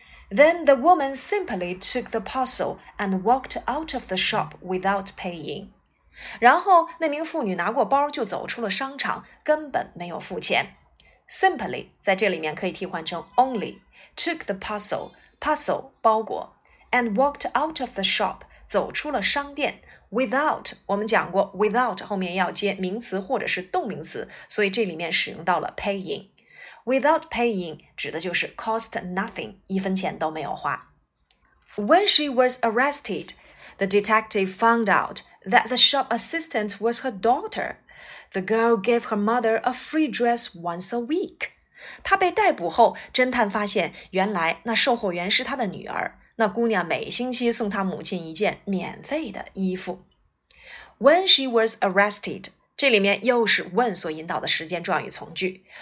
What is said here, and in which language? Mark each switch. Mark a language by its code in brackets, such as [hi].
[en] Then the woman simply took the parcel and walked out of the shop without paying。 [zh] 然后那名妇女拿过包就走出了商场，根本没有付钱。 Simply 在这里面可以替换成 only， [en] took the parcel， [zh] parcel 包裹， [en] and walked out of the shop， [zh] 走出了商店。 Without 我们讲过 without 后面要接名词或者是动名词，所以这里面使用到了 paying。 [en] Without paying [zh] 指的就是 [en] cost nothing， [zh] 一分钱都没有花。 [en] When she was arrested， the detective found out that the shop assistant was her daughter。 The girl gave her mother a free dress once a week. [zh] 她被逮捕后，侦探发现原来那售货员是她的女儿。那姑娘每星期送她母亲一件免费的衣服。 [en] When she was arrested, [zh] 这里面又是 when 所引导的时间状语从句。